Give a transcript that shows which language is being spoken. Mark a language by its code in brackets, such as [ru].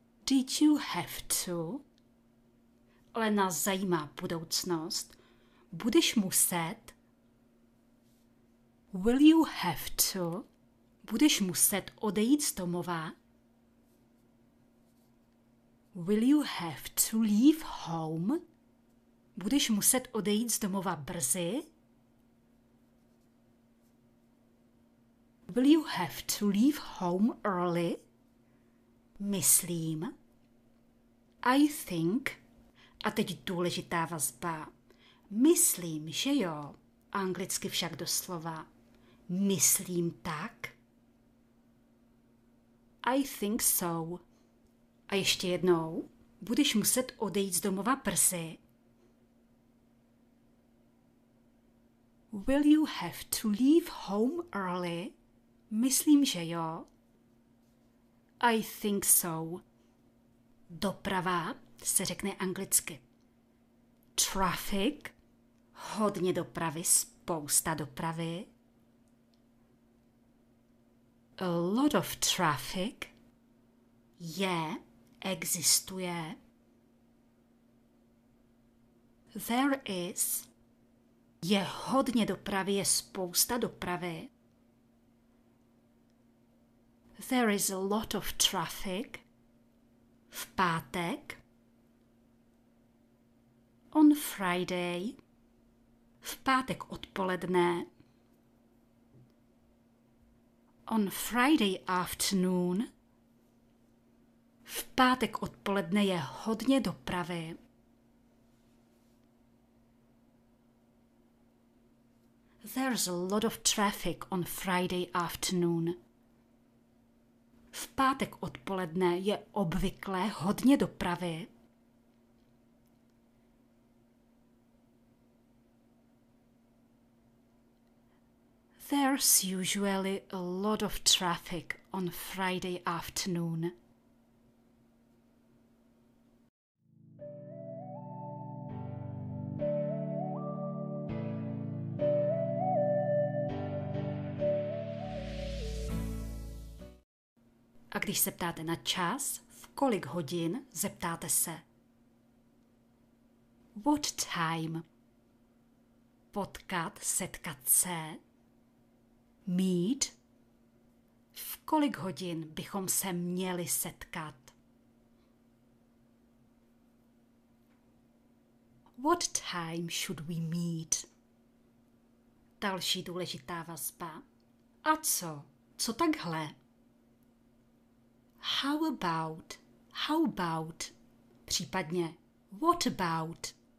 [en] Did you have to? [cs] Ale nás zajímá budoucnost. Budeš muset? [en] Will you have to? [cs] Budeš muset odejít z domova? [en] Will you have to leave home? [cs] Budeš muset odejít z domova brzy? [en] Will you have to leave home early? [cs] Myslím. [en] I think. [cs] A teď důležitá vazba. Myslím, že jo. Anglicky však doslova. Myslím tak. [en] I think so. [cs] A ještě jednou. Budeš muset odejít z domova brzy. [en] Will you have to leave home early? [cs] Myslím, že jo. [en] I think so. [cs] Doprava se řekne anglicky. Traffic. Hodně dopravy, spousta dopravy. [en] A lot of traffic. [cs] Je, existuje. [en] There is. [cs] Je hodně dopravy, je spousta dopravy. [en] There is a lot of traffic. [cs] V pátek. [en] On Friday. [cs] V pátek odpoledne. [en] On Friday afternoon. [cs] V pátek odpoledne je hodně dopravy. [en] There's a lot of traffic on Friday afternoon. [cs] V pátek odpoledne je obvykle hodně dopravy. [en] There's usually a lot of traffic on Friday afternoon. [cs] A když se ptáte na čas, v kolik hodin, zeptáte se. [en] What time? [cs] Potkat, setkat se. Meet? V kolik hodin bychom se měli setkat? [en] What time should we meet? [cs] Další důležitá vazba. A co? Co takhle? [en] How about? How about? Případně what about?